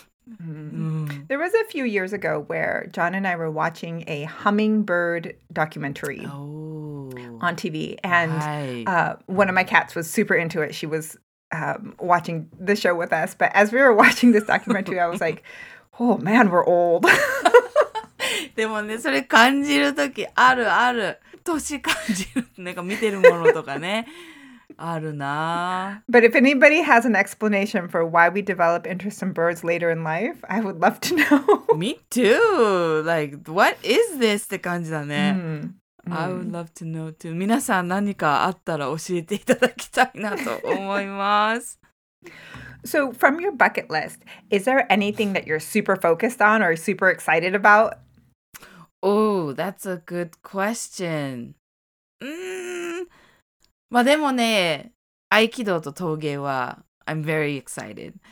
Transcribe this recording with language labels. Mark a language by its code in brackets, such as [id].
[en] There was a few years ago where John and I were watching a hummingbird documentary on TV. And one of my cats was super into it. She was watching the show with us. But as we were watching this documentary, I was like, Oh man, we're old. [ja] でもね、それ感じるときあるある、年感じる、なんか見てるものとかねあるな。 [en] But if anybody has an explanation for why we develop interest in birds later in life, I would love to know. Me too. Like, what is this? [ja] って感じだね。 [en] I would love to know too. [ja] 皆さん何かあったら教えていただきたいなと思います。 [en] So from your bucket list, is there anything that you're super focused on or super excited about? Oh, that's a good question. [ja] まあでもね、合気道と陶芸は [en] I'm very excited.